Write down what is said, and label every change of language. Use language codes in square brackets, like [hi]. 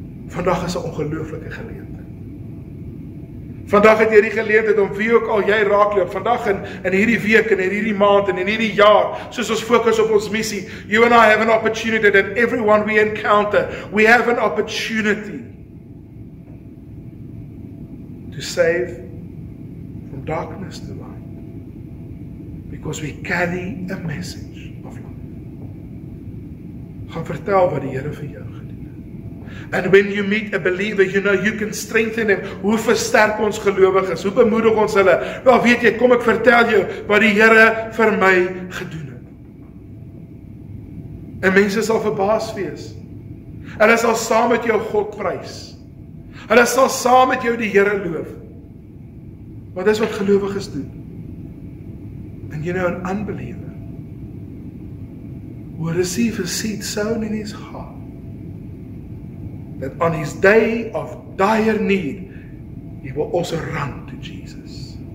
[af] Vandag is 'n ongelooflike geleentheid. Vandag het jy die geleentheid om wie ook al jy raakloop, vandag in hierdie week en in hierdie maand en in hierdie jaar, soos ons fokus op ons missie, [en] you and I have an opportunity that everyone we encounter, we have an opportunity to save from darkness to light, because we carry a message of life. [af] Gaan vertel wat die Here vir jou. [en] And when you meet a believer, you know, you can strengthen him. [af] Hoe versterk ons gelowiges? Hoe bemoedig ons hulle? Wel, weet jy, kom ek vertel jou wat die Here vir my gedoen het. En mense sal verbaas wees. Hulle sal saam met jou God prys. Hulle sal saam met jou die Here loof. Wat is wat gelowiges doen? [en] And you know, an unbeliever will receive a seed sown in his heart, that on his day of dire need, he will also run to Jesus.